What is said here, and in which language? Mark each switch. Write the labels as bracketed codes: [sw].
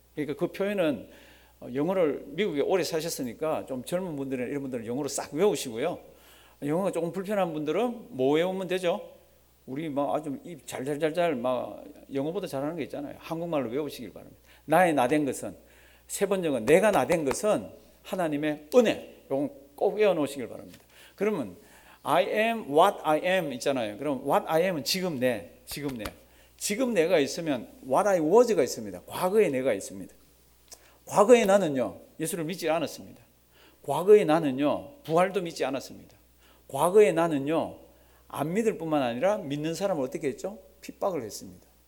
[ko] 그러니까 그 표현은 영어를 미국에 오래 사셨으니까 좀 젊은 분들은 이런 분들은 영어로 싹 외우시고요. 영어가 조금 불편한 분들은 뭐 외우면 되죠? 우리 막 아주 입 잘잘잘잘 막 영어보다 잘하는 게 있잖아요. 한국말로 외우시길 바랍니다. 나의 나된 것은 세 번역은 내가 나된 것은 하나님의 은혜. 이건 꼭 외워놓으시길 바랍니다. [en] 그러면 I am what I am [ko] 있잖아요. 그럼 [en] what I am [ko] 은 지금 내. 지금 내가 있으면 [en] what I was [ko] 가 있습니다. 과거의 내가 있습니다. 과거의 나는요 예수를 믿지 않았습니다. 과거의 나는요 부활도 믿지 않았습니다. 과거의 나는요 안 믿을 뿐만 아니라 믿는 사람을 어떻게 했죠? 핍박을 했습니다.